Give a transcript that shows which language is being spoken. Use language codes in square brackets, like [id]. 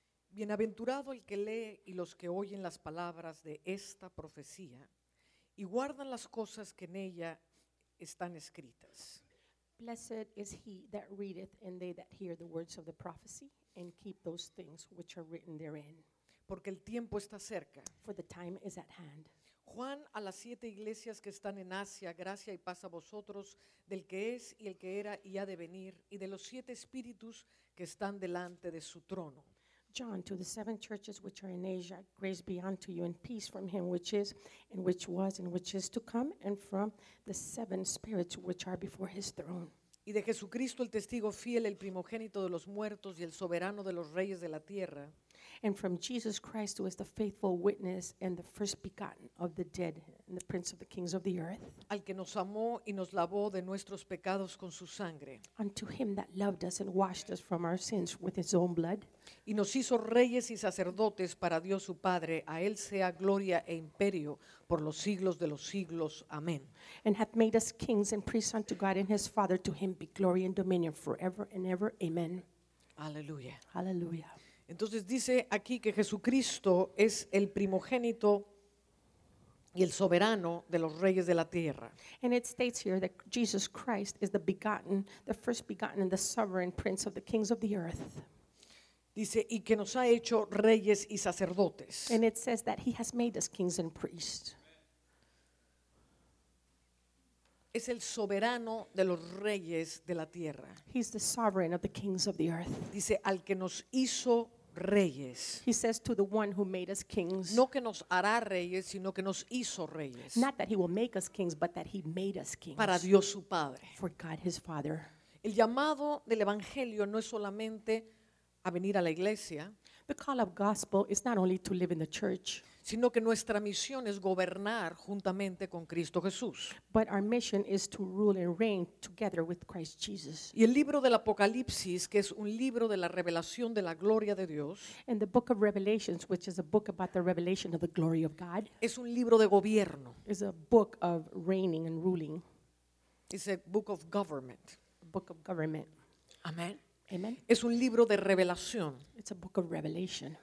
[es] Bienaventurado el que lee y los que oyen las palabras de esta profecía y guardan las cosas que en ella están escritas. [en] Blessed is he that readeth and they that hear the words of the prophecy. And keep those things which are written therein. [es] Porque el tiempo está cerca. [en] For the time is at hand. [es] Juan, a las siete iglesias que están en Asia, gracia y paz a vosotros, del que es y el que era y ha de venir, y de los siete espíritus que están delante de su trono. [en] John, to the seven churches which are in Asia, grace be unto you and peace from him which is, and which was, and which is to come, and from the seven spirits which are before his throne. [es] Y de Jesucristo el testigo fiel, el primogénito de los muertos y el soberano de los reyes de la tierra. [en] and from Jesus Christ, who is the faithful witness and the first begotten of the dead and the prince of the kings of the earth. [es] Al que nos amó y nos lavó de nuestros pecados con su sangre. [en] Unto him that loved us and washed us from our sins with his own blood. [es] Y nos hizo reyes y sacerdotes para Dios su Padre. A él sea gloria e imperio por los siglos de los siglos. Amén. [en] And hath made us kings and priests unto God and his Father. To him be glory and dominion forever and ever. Amen. [es] Aleluya. Aleluya. Entonces dice aquí que Jesucristo es el primogénito y el soberano de los reyes de la tierra. [en] And it states here that Jesus Christ is the begotten, the first begotten and the sovereign prince of the kings of the earth. [es] Dice, y que nos ha hecho reyes y sacerdotes. [en] And it says that he has made us kings and priests. [es] Es el soberano de los reyes de la tierra. [en] He's the sovereign of the kings of the earth. [es] Dice, al que nos hizo reyes. [en] He says to the one who made us kings. [es] No que nos hará reyes, sino que nos hizo reyes. [en] Not that he will make us kings, but that he made us kings. [es] Para Dios su Padre. [en] For God his Father. [es] El llamado del evangelio no es solamente a venir a la iglesia. [en] The call of gospel is not only to live in the church. [es] Sino que nuestra misión es gobernar juntamente con Cristo Jesús. [en] But our mission is to rule and reign together with Christ Jesus. [es] Y el libro del Apocalipsis, que es un libro de la revelación de la gloria de Dios. [en] And the book of Revelations, which is a book about the revelation of the glory of God. [es] Es un libro de gobierno. [en] Is a book of reigning and ruling. It's a book of government. A book of government. [es] Amén. [en] Amen. [es] Es un libro de revelación. [en] It's a book of revelation.